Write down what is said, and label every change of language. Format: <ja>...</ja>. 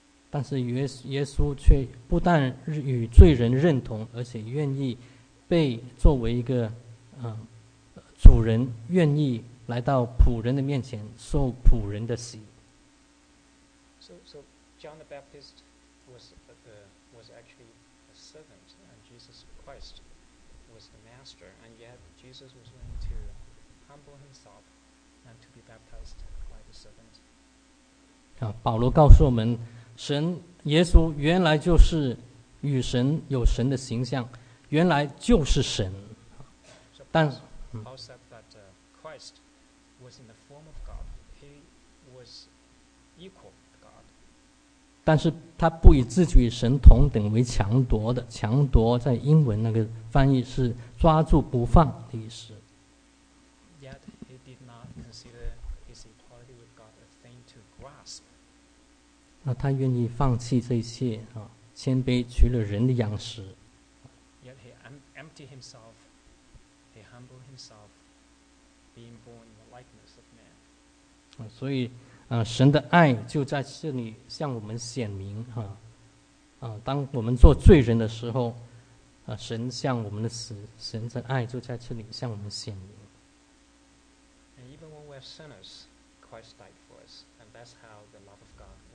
<zh>但是耶稣却不但与罪人认同，而且愿意被作为一个主人，愿意来到仆人的面前受仆人的洗。</zh> <en>So John the Baptist was actually a servant, and Jesus Christ was the master, and yet Jesus was willing to humble himself and to be baptized by the servant.</en> <zh>保罗告诉我们。神耶稣原来就是与神有神的形象，原来就是神。但</zh> <en>Paul said that Christ was in the form of God. He was equal with God.</en> <zh>但是他不以自己与神同等为强夺的，强夺在英文那个翻译是抓住不放的意思。</zh> <en>Yet he did not consider his equality with God a thing to grasp.</en> <zh>那他愿意放弃这一切谦卑取了人的样式。</zh> <en>Yet he emptied himself, he humbled himself, being born in the likeness of man.</en> <zh>所以神的爱就在这里向我们显明当我们做罪人的时候神向我们的死，神的爱就在这里向我们显明。</zh> <en>And even when we are sinners, Christ died for us, and that's how the love of God.</en>